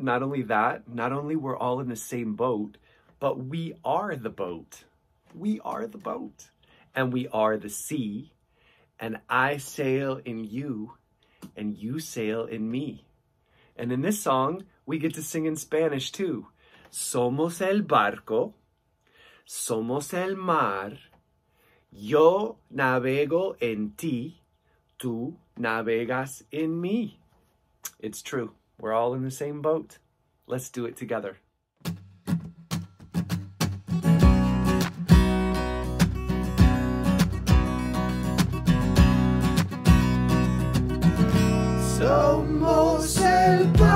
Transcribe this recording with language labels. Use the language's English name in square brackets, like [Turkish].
[English] Not only that, not only we're all in the same boat, but we are the boat. We are the boat. And we are the sea. And I sail in you, and you sail in me. And in this song, we get to sing in Spanish too. [Spanish] Somos el barco. Somos el mar, yo navego en ti, tú navegas en mí. [English] It's true. We're all in the same boat. Let's do it together. [Spanish] Somos el